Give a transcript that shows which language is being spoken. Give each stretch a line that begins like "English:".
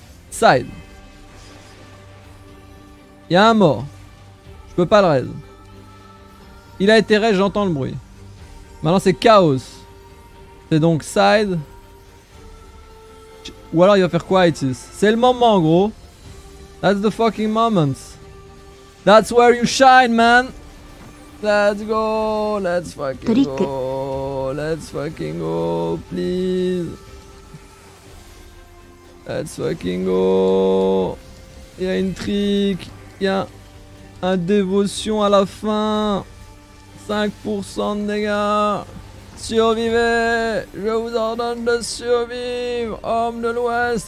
French: Side. Y'a un mort. Je peux pas le raise. Il a été raid, j'entends le bruit. Maintenant c'est chaos. C'est donc side. Ou alors il va faire quietus. C'est le moment gros.
English: That's the fucking moment. That's where you shine, man. Let's go, let's fucking go, let's fucking go, please. Let's fucking go.
French: Il y a une trick, il y a un dévotion à la fin. 5% de dégâts. Survivez, je vous ordonne de survivre, homme de l'ouest.